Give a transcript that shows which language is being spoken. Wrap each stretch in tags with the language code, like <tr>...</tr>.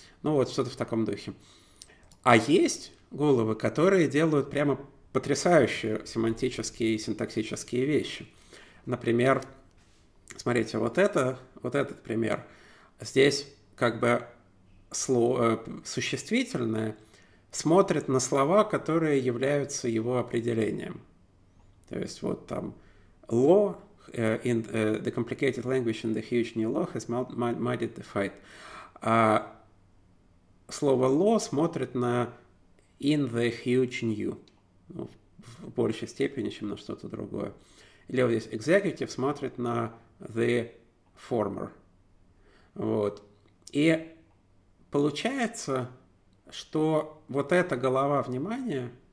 <ru>Ну вот что-то в таком духе. А есть головы, которые делают прямо потрясающие семантические и синтаксические вещи. Например, смотрите, вот этот пример. Здесь как бы существительное смотрит на слова, которые являются его определением. То есть вот там</ru> <en>law in the complicated language in the huge new law has muddied the fight.</en> <ru>А слово law смотрит на</ru> <en>in the huge new,</en> <ru>ну, в большей степени, чем на что-то другое. Или вот здесь executive смотрит на</ru> <en>the former.</en> <ru>Вот. И получается, что вот эта голова внимания,</ru>